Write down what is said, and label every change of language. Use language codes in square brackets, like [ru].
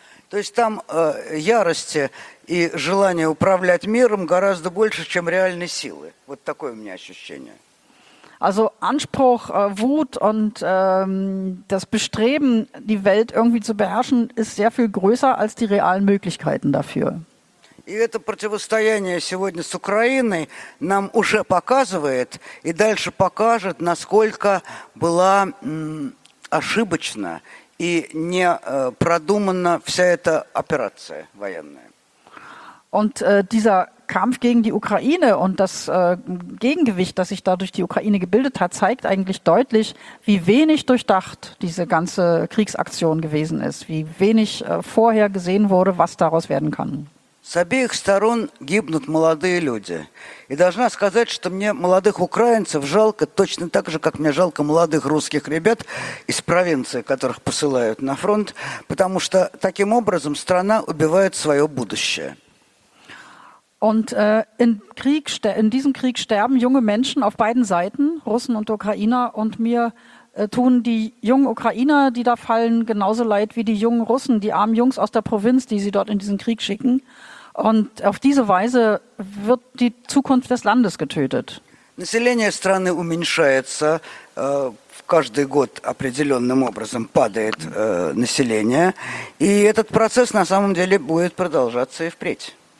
[ru] То есть там ярости и желание управлять миром гораздо больше, чем реальной силы. Вот такое у меня ощущение. [de] Also Anspruch, Wut und das Bestreben, die Welt irgendwie zu beherrschen, ist sehr viel größer als die realen Möglichkeiten dafür. [ru] И это противостояние сегодня с Украиной нам уже показывает и дальше покажет, насколько была ошибочна и не продумана вся эта операция военная. [de] Und dieser Kampf gegen die Ukraine und das Gegengewicht, das sich dadurch die Ukraine gebildet hat, zeigt eigentlich deutlich, wie wenig durchdacht diese ganze Kriegsaktion gewesen ist, wie wenig vorher gesehen wurde, was daraus werden kann. [ru] С обеих сторон гибнут молодые люди. И должна сказать, что мне молодых украинцев жалко точно так же, как мне жалко молодых русских ребят из провинции, которых посылают на фронт, потому что таким образом страна убивает свое будущее. [de] Und in diesem Krieg sterben junge Menschen auf beiden Seiten, Russen und Ukrainer. Und mir tun die jungen Ukrainer, die da fallen, genauso leid wie die jungen Russen, die armen Jungs aus der Provinz, die sie dort in diesen Krieg schicken. Und auf diese Weise wird die Zukunft des Landes getötet. [ru] Население страны уменьшается. Каждый год определенным образом падает население. И этот процесс на самом деле будет продолжаться и впредь.